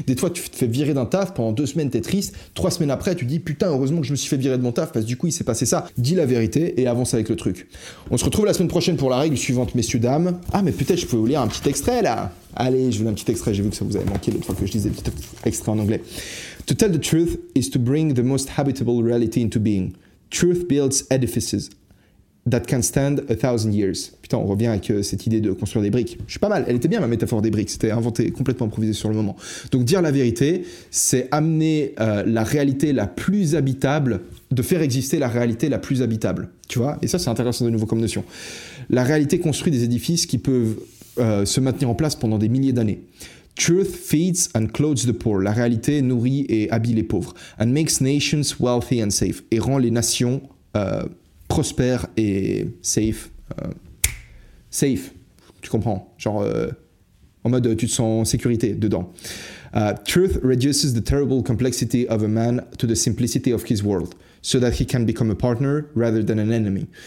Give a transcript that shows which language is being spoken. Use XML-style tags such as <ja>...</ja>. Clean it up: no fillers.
<fr>Des fois, tu te fais virer d'un taf, pendant 2 semaines, t'es triste, 3 semaines après, tu dis « putain, heureusement que je me suis fait virer de mon taf, parce que du coup, il s'est passé ça ». Dis la vérité et avance avec le truc. On se retrouve la semaine prochaine pour la règle suivante, messieurs, dames. Ah, mais peut-être je peux vous lire un petit extrait, là. Allez, je vous lis un petit extrait, j'ai vu que ça vous avait manqué l'autre fois que je lisais un petit extrait en anglais.</fr> <en>« To tell the truth is to bring the most habitable reality into being. Truth builds edifices. » That can stand 1,000 years.</en> <fr>Putain, on revient avec cette idée de construire des briques. Je suis pas mal, elle était bien ma métaphore des briques, c'était inventé, complètement improvisé sur le moment. Donc dire la vérité, c'est amener la réalité la plus habitable, de faire exister la réalité la plus habitable. Tu vois, et ça c'est intéressant de nouveau comme notion. La réalité construit des édifices qui peuvent se maintenir en place pendant des milliers d'années.</fr> <en>Truth feeds and clothes the poor.</en> <fr>La réalité nourrit et habille les pauvres.</fr> <en>And makes nations wealthy and safe.</en> <fr>Et rend les nations... prospère et safe. Safe, tu comprends. Genre, en mode, tu te sens en sécurité dedans.</fr> <en>Truth reduces the terrible complexity of a man to the simplicity of his world, so that he can become a partner rather than an enemy.</en>